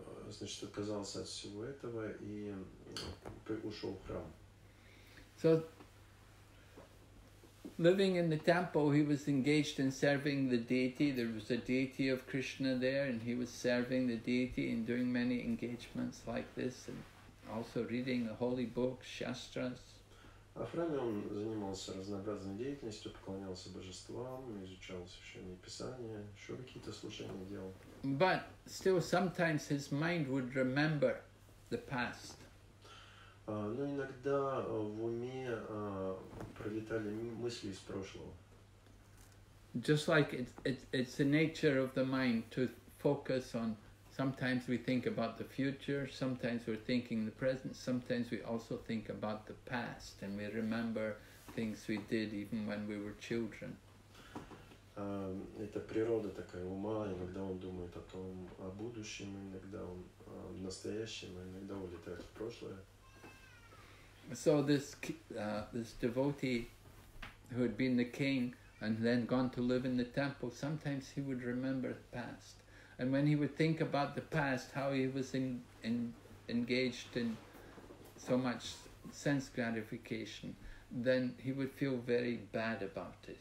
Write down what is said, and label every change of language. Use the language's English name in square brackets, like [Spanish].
[Russian] значит, отказался от всего этого и ушел в храм. [English] So, living in the temple, he was engaged in serving the deity. There was a deity of Krishna there, and he was serving the deity and doing many engagements like this, and also reading the holy books, shastras. [Russian] А в храме он занимался разнообразной деятельностью, поклонялся божествам, изучал священные писания, еще какие-то служения делал. [English] But still sometimes his mind would remember the past. [Russian] Но иногда в уме пролетали мысли из прошлого. [English] Just like it's the nature of the mind to focus on. Sometimes we think about the future, sometimes we're thinking the present, sometimes we also think about the past and we remember things we did even when we were children. [Russian] Это природа такая ума, иногда он думает о том, о будущем, иногда он о настоящем, иногда улетает в прошлое. [English] So this devotee who had been the king and then gone to live in the temple, sometimes he would remember the past. And when he would think about the past, how he was engaged in so much sense gratification, then he would feel very bad about it.